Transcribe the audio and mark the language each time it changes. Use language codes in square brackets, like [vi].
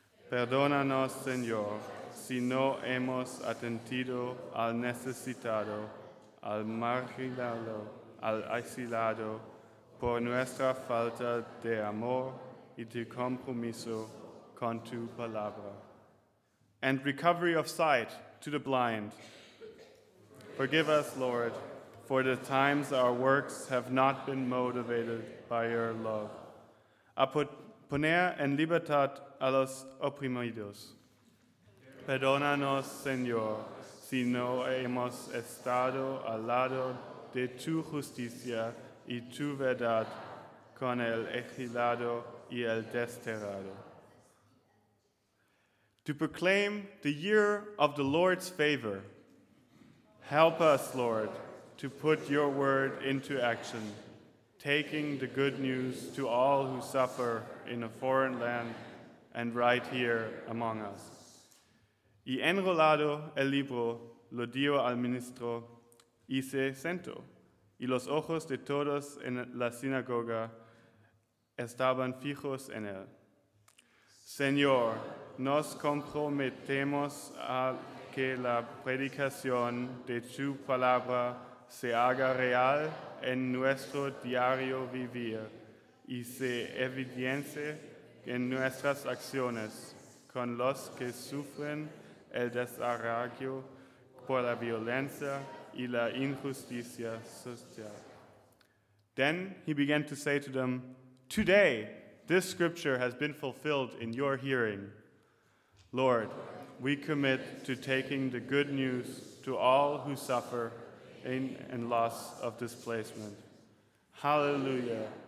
[es] Perdónanos, Señor, si no hemos atendido al necesitado, al marginado, al aislado, por nuestra falta de amor y de compromiso con tu palabra. [en] And recovery of sight to the blind. Forgive us, Lord, for the times our works have not been motivated by your love. [es] A poner en libertad a los oprimidos. Perdónanos, Señor, si no hemos estado al lado de tu justicia y tu verdad con el exilado y el desterrado. [en] To proclaim the year of the Lord's favor, help us, Lord, to put your word into action, taking the good news to all who suffer in a foreign land and right here among us. [es] Y enrolado el libro, lo dio al ministro, y se sentó, y los ojos de todos en la sinagoga estaban fijos en él. Señor, nos comprometemos a que la predicación de tu palabra se haga real en nuestro diario vivir y se evidencie en nuestras acciones con los que sufren el desarraigo por la violencia y la injusticia social. [en] Then he began to say to them, "Today, this scripture has been fulfilled in your hearing. Lord, we commit to taking the good news to all who suffer in and loss of displacement. Hallelujah.